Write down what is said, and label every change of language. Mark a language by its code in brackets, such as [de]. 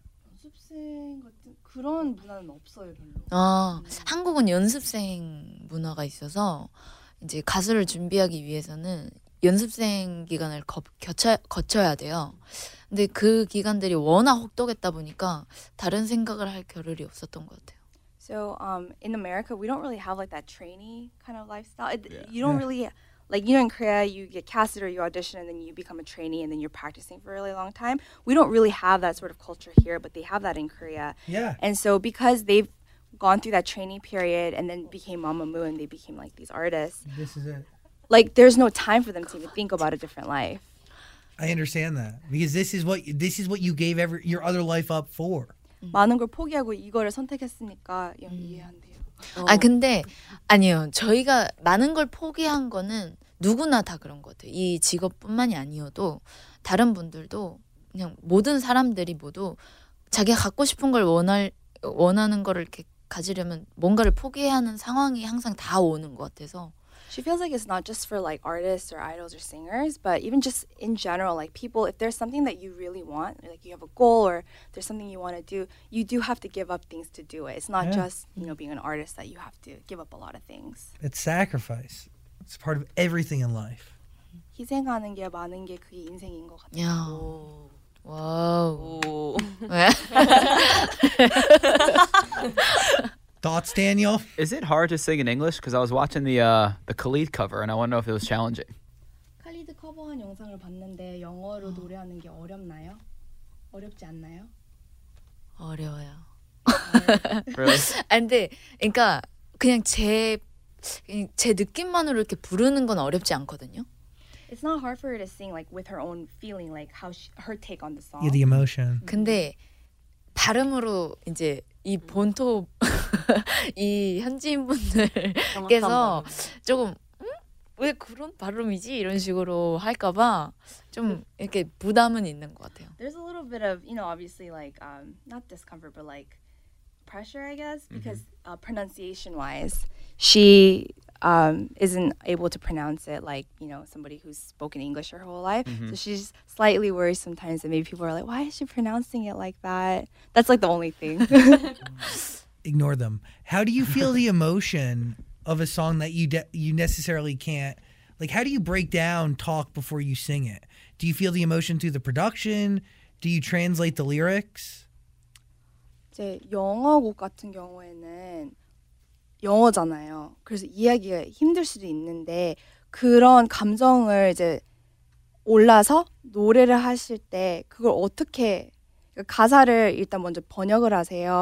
[ko] 연습생 같은 그런 문화는 없어요, 별로. 한국은 연습생 문화가 있어서 이제 가수를 준비하기 위해서는 연습생 기간을 거쳐야 돼요. 근데 그 기간들이 워낙 혹독했다 보니까 다른 생각을 할 겨를이 없었던 것 같아요. [en] So in America, we don't really have like that trainee kind of lifestyle. You don't really, like you know in Korea, you get casted or you audition and then you become a trainee and then you're practicing for a really long time. We don't really have that sort of culture here, but they have that in Korea. Yeah. And so because they've gone through that training period and then became Mamamoo and they became like these artists. This is it. Like there's no time for them to even think about a different life. I understand that because this is what you gave your other life up for. [ko] 많은 걸 포기하고 이거를 선택했으니까 이해한대요. 근데 아니요. 저희가 많은 걸 포기한 거는 누구나 다 그런 것 같아요. 이 직업뿐만이 아니어도 다른 분들도 그냥 모든 사람들이 모두 자기가 갖고 싶은 걸 원하는 거를 이렇게 가지려면 뭔가를 포기하는 상황이 항상 다 오는 것 같아서. [en] She feels like it's not just for like artists or idols or singers, but even just in general, like people, if there's something that you really want, like you have a goal or there's something you want to do, you do have to give up things to do it. It's not just, you know, being an artist that you have to give up a lot of things. It's sacrifice. It's part of everything in life. [ko] 희생하는 게 많은 게 그게 인생인 것 같아요. [en] Yeah. Wow. Thoughts, Daniel? Is it hard to sing in English? Because I was watching the Khalid cover, and I want to know if it was challenging. [ko] Khalid cover한 영상을 봤는데 영어로 노래하는 게 어렵나요? 어렵지 않나요? 어려워요. [en] Really? [ko] 근데 그러니까 그냥 제 느낌만으로 이렇게 부르는 건 어렵지 않거든요. [en] It's not hard for her to sing like with her own feeling, like how she, her take on the song. Yeah, the emotion. [ko] 근데 발음으로 이제 이 본토 이 현지인 분들께서 조금 왜 그런 발음이지 이런 식으로 할까봐 좀 이렇게 부담은 있는 것 같아요. [en] There's a little bit of, you know, obviously like not discomfort, but like pressure, I guess, because pronunciation-wise, she isn't able to pronounce it like, you know, somebody who's spoken English her whole life. Mm-hmm. So she's slightly worried sometimes that maybe people are like, why is she pronouncing it like that? That's like the only thing. Ignore them. How do you feel the emotion of a song that you you necessarily can't, like, how do you break down talk before you sing it? Do you feel the emotion through the production? Do you translate the lyrics? [ko] 제 영어 곡 같은 경우에는 영어잖아요. 그래서 이해하기가 힘들 수도 있는데 그런 감정을 이제 올라서 노래를 하실 때 그걸 어떻게 가사를 일단 먼저 번역을 하세요?